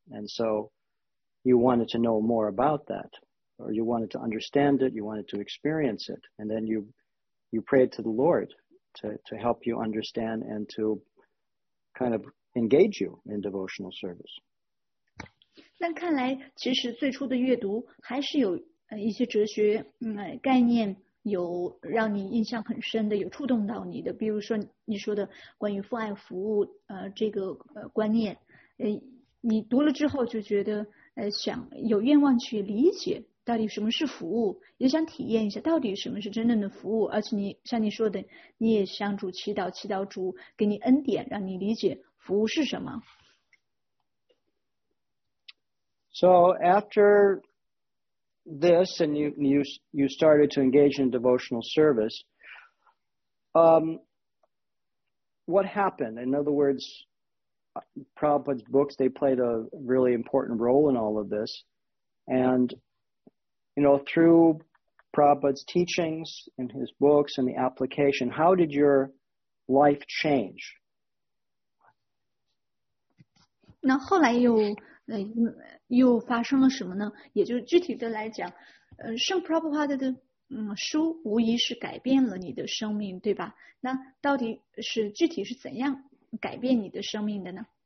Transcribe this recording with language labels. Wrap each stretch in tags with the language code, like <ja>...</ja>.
<en>And so you wanted to know more about that, or you wanted to understand it, you wanted to experience it. And then you prayed to the Lord to help you understand and to kind of engage you in devotional service.</en> <zh>那看来其实最初的阅读还是有一些哲学概念有让你印象很深的，有触动到你的，比如说你说的关于父爱服务这个观念，你读了之后就觉得想有愿望去理解到底什么是服务，也想体验一下到底什么是真正的服务，而且你像你说的，你也向主祈祷，祈祷主给你恩典，让你理解服务是什么。</zh> <en>So after this, and you started to engage in devotional service, what happened? In other words, Prabhupada's books, they played a really important role in all of this. And, you know, through Prabhupada's teachings and his books and the application, how did your life change?</en> <zh>那后来又又发生了什么呢？也就具体的来讲，圣普拉普华德的书无疑是改变了你的生命，对吧？那到底是具体是怎样改变你的生命的呢？</zh>